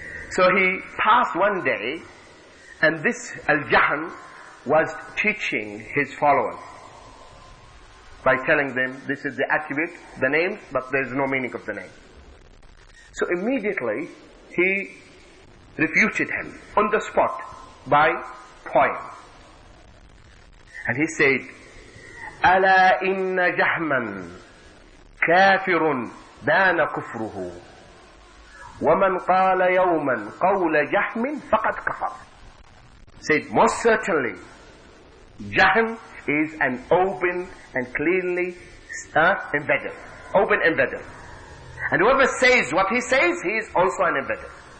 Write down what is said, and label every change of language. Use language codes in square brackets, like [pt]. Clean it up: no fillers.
[en] So he passed one day, and this Al-Jahan was teaching his followers by telling them this is the attribute, the name, but there is no meaning of the name. So immediately he refuted him on the spot by poem. And he said, [ar] أَلَا إِنَّ جَهْمًا كَافِرٌ بَانَ كُفْرُهُ وَمَنْ قَالَ يَوْمًا قَوْلَ جَهْمٍ فَقَدْ كَفَرٌ. [en] Said, most certainly, Jahm is an open and clearly embedded. Open embedded. And whoever says what he says, he is also an embedded.